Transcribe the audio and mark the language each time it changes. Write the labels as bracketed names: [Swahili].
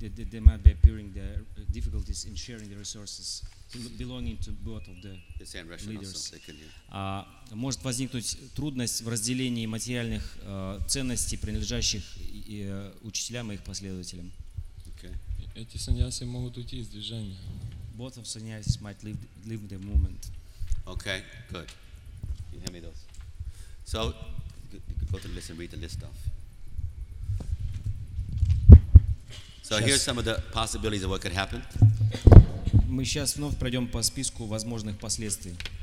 [English] They might be appearing the difficulties in sharing the resources. Belonging to both of the leaders. [Russian] Может возникнуть трудность в разделении материальных ценностей, принадлежащих учителям и их последователям. Эти саньяси могут уйти из движения. [English] Both of saniyasis might leave the movement. Okay, good. You hear me those? So, go to listen, read the list off. So here's some of the possibilities of what could happen. [Russian] Мы сейчас вновь пройдем по списку возможных последствий.